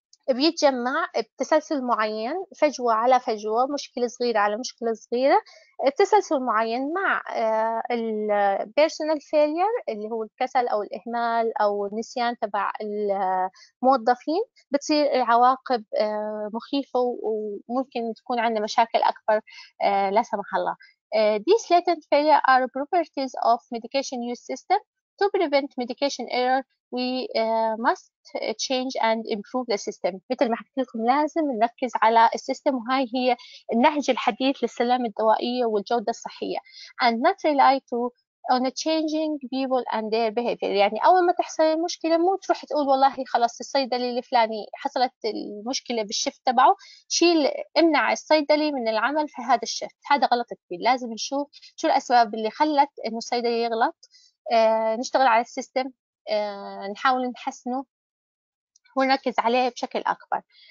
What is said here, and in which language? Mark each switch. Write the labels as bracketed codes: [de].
[ar] بيتجمع بتسلسل معين، فجوة على فجوة، مشكلة صغيرة على مشكلة صغيرة، التسلسل المعين مع الـ [en] personal failure [ar] اللي هو الكسل أو الإهمال أو النسيان تبع الموظفين بتصير العواقب مخيفة، وممكن تكون عندنا مشاكل أكبر لا سمح الله. [en] These latent failure are properties of medication use system. To prevent medication error, we must change and improve the system. [ar] مثل ما حكيت لكم لازم نركز على السيستم، وهاي هي النهج الحديث للسلامة الدوائية والجودة الصحية. [en] And not rely to on changing people and their behavior. [ar] يعني أول ما تحصل المشكلة مو تروح تقول والله خلاص الصيدلي الفلاني حصلت المشكلة بالشفت تبعه، شيل امنع الصيدلي من العمل في هذا الشفت، هذا غلط كبير. لازم نشوف شو الأسباب اللي خلت إنه الصيدلي يغلط. نشتغل على السيستم، نحاول نحسنه ونركز عليه بشكل أكبر.